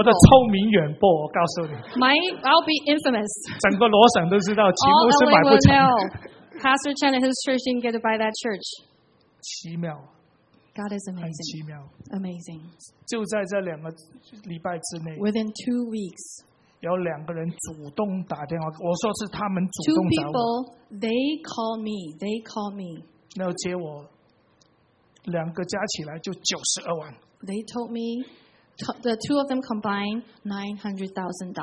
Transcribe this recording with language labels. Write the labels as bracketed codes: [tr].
[zh] 我的臭名远播，我告诉你。 [en] I'll be infamous. [zh] 整个罗省都知道，齐牧师买不成。 [en] All LA will know. Pastor Chen and his church didn't get to buy that church. [zh] 奇妙。 [en] God is amazing. [zh] 很奇妙。 [en] Amazing. [zh] 就在这两个礼拜之内。 [en] Within 2 weeks. [zh] 有两个人主动打电话，我说是他们主动找我。 [en] Two people, they call me. [zh] 然后接我，两个加起来就92万。 [en] They told me, the two of them combined $900,000.